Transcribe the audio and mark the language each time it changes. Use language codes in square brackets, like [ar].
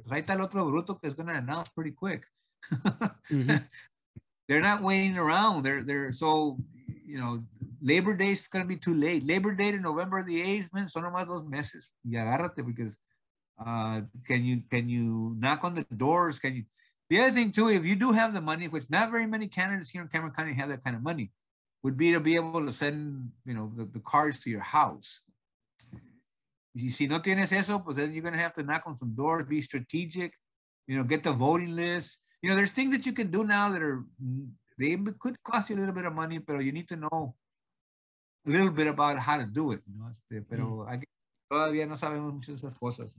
[es] Pues ahí está el otro bruto que es [en] going to announce pretty quick. They're not waiting around. They're so, you know, Labor Day is going to be too late. Labor Day to November the 8th, man, [es] son nomás dos meses. Y agárrate [en] because can you knock on the doors? Can you? The other thing too, if you do have the money, which not very many candidates here in Cameron County have that kind of money, would be to be able to send, you know, the cards to your house. [es] Si no tienes eso, pues [en] then you're going to have to knock on some doors, be strategic, you know, get the voting list. You know, there's things that you can do now that they could cost you a little bit of money, [es] pero [en] you need to know a little bit about how to do it. You know? [es] Pero [en] I guess [es] todavía no sabemos muchas de esas cosas.